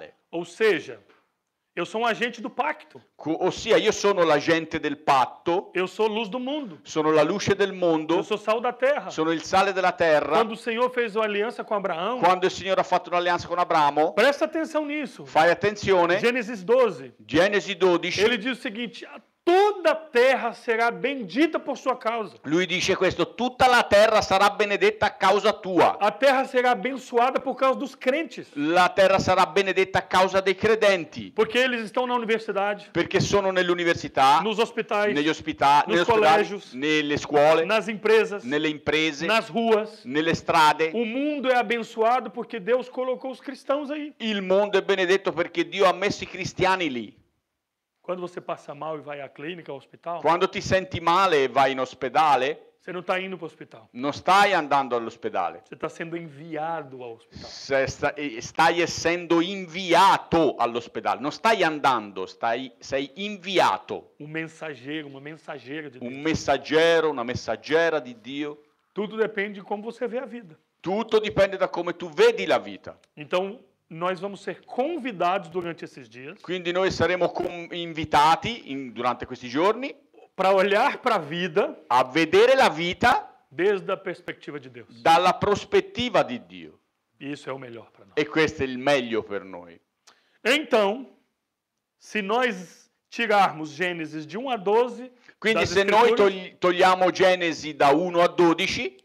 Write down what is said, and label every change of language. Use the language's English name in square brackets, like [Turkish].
[Portuguese] Ou seja, eu sou um agente do pacto. [Italian] Ossia, io sono l'agente del patto. [Portuguese] Eu sou luz do mundo. [Italian] Sono la luce del mondo. [Portuguese] Eu sou sal da terra. [Italian] Sono il sale della terra. [Portuguese] Quando o Senhor fez uma aliança com Abraão. [Italian] Quando il Signore ha fatto un'alleanza con Abramo. [Portuguese] Presta atenção nisso. [Italian] Fai attenzione. [Portuguese] Gênesis 12. Gênesis 12. Ele diz o seguinte: toda a terra será bendita por sua causa. [Italian] Lui dice questo: tutta la terra sarà benedetta a causa tua. [Portuguese] A terra será abençoada por causa dos crentes. [Italian] La terra sarà benedetta a causa dei credenti. [Portuguese] Porque eles estão na universidade. [Italian] Perché sono nell'università. [Portuguese] Nos hospitais. [Italian] Negli ospedali. [Portuguese] Nos colégios. [Italian] Nelle scuole. [Portuguese] Nas empresas. [Italian] Nelle imprese. [Portuguese] Nas ruas. [Italian] Nelle strade. [Portuguese] O mundo é abençoado porque Deus colocou os cristãos aí. [Italian] Il mondo è benedetto perché Dio ha messo i cristiani lì. [Portuguese] Quando você passa mal e vai à clínica, ao hospital? [Italian] Quando ti senti male e vai in ospedale? [Portuguese] Você não está indo para o hospital. [Italian] Non stai andando all'ospedale. [Portuguese] Você está sendo enviado ao hospital. [Italian] Stai essendo inviato all'ospedale. Non stai andando, sei inviato. [Portuguese] Um mensageiro, uma mensageira de Deus. [Italian] Um messaggero, una messaggera di Dio. [Portuguese] Tudo depende de como você vê a vida. [Italian] Tutto dipende da come tu vedi la vita. [Portuguese] Então nós vamos ser convidados durante esses dias. [Italian] Quindi noi saremo invitati durante questi giorni. [Portuguese] Para olhar para a vida. [Italian] A vedere la vita. [Portuguese] Desde a perspectiva de Deus. [Italian] Dalla prospettiva di Dio. [Portuguese] Isso é o melhor para nós. [Italian] E questo è il meglio per noi. [Portuguese] Então, se nós tirarmos Gênesis de 1 a 12. [Italian] Quindi se noi togliamo Genesi da 1 a 12,